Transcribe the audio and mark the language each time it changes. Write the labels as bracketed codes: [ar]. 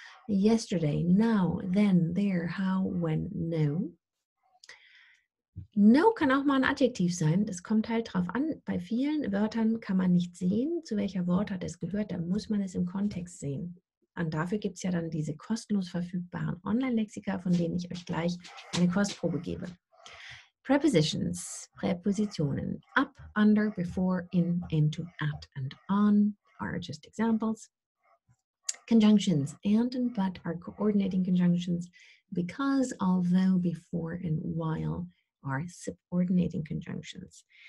[en] Yesterday, now, then, there, how, when, no. [de] No kann auch mal ein Adjektiv sein. Das kommt halt drauf an. Bei vielen Wörtern kann man nicht sehen, zu welcher Wortart es gehört. Da muss man es im Kontext sehen. Und dafür gibt es ja dann diese kostenlos verfügbaren Online-Lexika, von denen ich euch gleich eine Kostprobe gebe. Prepositions, Präpositionen. [en] Up, under, before, in, into, at and on are just examples. Conjunctions, and but are coordinating conjunctions. Because, although, before and while are subordinating conjunctions.